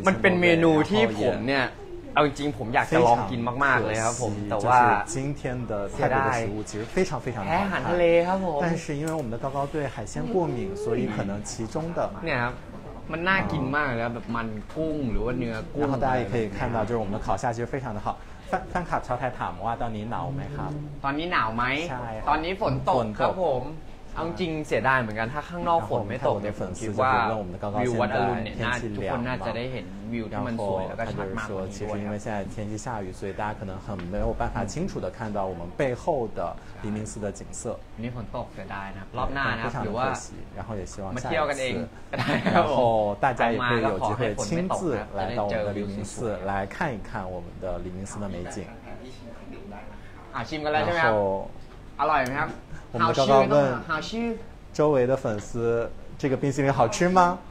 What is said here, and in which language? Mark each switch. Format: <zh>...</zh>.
<th>มันเป็นเมนูที่ผมเนี่ยเอาจริงผมอยากจะลองกินมากมากเลยครับผมแต่ว่า</th> <zh>今天的泰国的食物其实非常非常</zh> <th>แพ้อาหารทะเลครับผม</th> <zh>但是因为我们的高高对海鲜过敏所以可能其中的</zh> <th>เนี่ยครับมันน่ากินมากเลยแบบมันกุ้งหรือว่าเนื้อกุ้ง แล้วทุกท่านก็จะเห็นว่าคือผมของข้าวชาชีฟ</th> <zh>非常的好</zh> <th>ท่านขับชาวไทยถามว่าตอนนี้หนาวไหมครับ ตอนนี้หนาวไหม ใช่ ตอนนี้ฝนตกครับผมเอาจริงเสียดายเหมือนกันถ้าข้างนอกฝนไม่ตกเนี่ยผมคิดว่าวิววัดอรุณเนี่ยทุกคนน่าจะได้เห็นวิวที่มันสวยแล้วก็ชัดมากเลย</th> <zh>คือ因为现在天气下雨所以大家可能很没有办法清楚的看到我们背后的黎明寺的景色</zh> <th>นี่ฝนตกเสียดายนะรอบหน้านะหรือว่าม าเที่ยว กันเองก็ได้ ครับผม</th> <zh>大家也可以有机会亲自来到我们的黎明寺来看一看我们的黎明寺的美景</zh> <th>ชิมกันแล้วใช่ไหมครับอร่อยไหมครับ เราจะ</th> <zh>刚问好吃周围的粉丝这个冰淇淋好吃吗</zh>